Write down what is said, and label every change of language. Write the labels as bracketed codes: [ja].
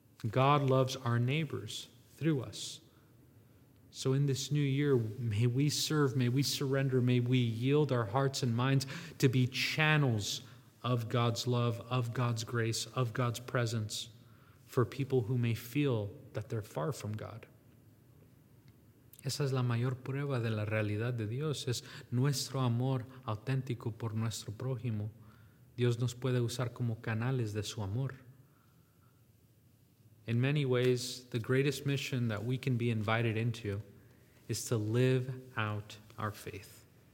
[en] God loves our neighbors through us. So in this new year, may we serve, may we surrender, may we yield our hearts and minds to be channels of God's love, of God's grace, of God's presence for people who may feel that they're far from God. [es] Esa es la mayor prueba de la realidad de Dios, es nuestro amor auténtico por nuestro prójimo. Dios nos puede usar como canales de su amor. [en] In many ways, the greatest mission that we can be invited into is to live out our faith.